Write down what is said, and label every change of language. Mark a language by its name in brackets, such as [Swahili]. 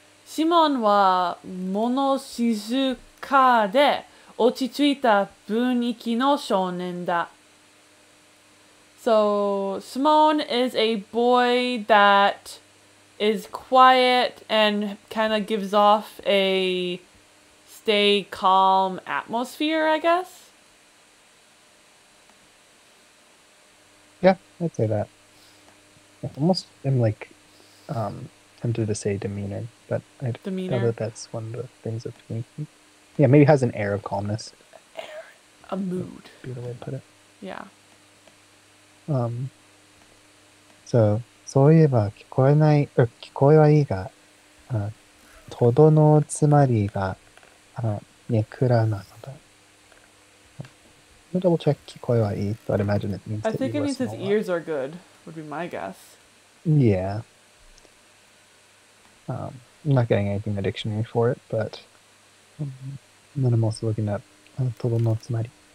[Japanese] シモンは物静かで落ち着いた雰囲気の少年だ。 [English] So, Simone is a boy that is quiet and kind of gives off a stay calm atmosphere, I guess. Yeah, I'd say that. Almost, I'm like, tempted to say demeanor, but I don't know that that's one of the things that's thinking. Yeah, maybe has an air of calmness. A mood. Be the way to put it. Yeah. So, [Japanese] そういえば聞こえない、聞こえはいいが、とどのつまりが、ネクラなのだ。 [English] Double check, [Japanese] 聞こえはいい。 [English] But imagine it means that I think it means his ears are good, would be my guess. Yeah. I'm not getting anything in the dictionary for it, but then I'm also looking up, [Japanese] とどのつまり。